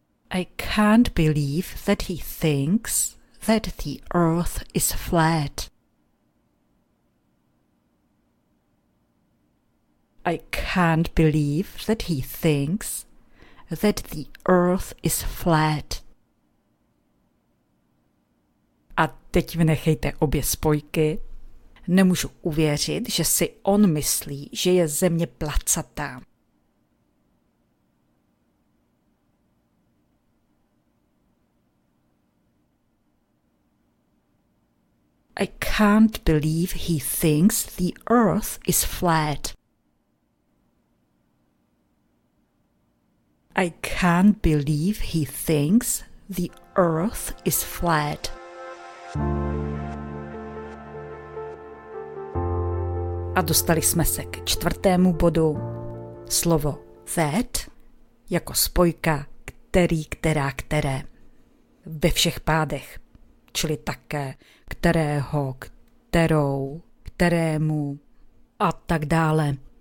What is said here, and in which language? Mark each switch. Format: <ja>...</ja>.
<en>I can't believe that he thinks that the earth is flat. I can't believe that he thinks that the earth is flat.</en> <cs>A teď vynechejte obě spojky. Nemůžu uvěřit, že si on myslí, že je země placatá.</cs> <en>I can't believe he thinks the earth is flat. I can't believe he thinks the earth is flat.</en> <cs>A dostali jsme se k čtvrtému bodu. Slovo that jako spojka který, která, které. Ve všech pádech. Čili také kterého, kterou, kterému a tak dále.</cs>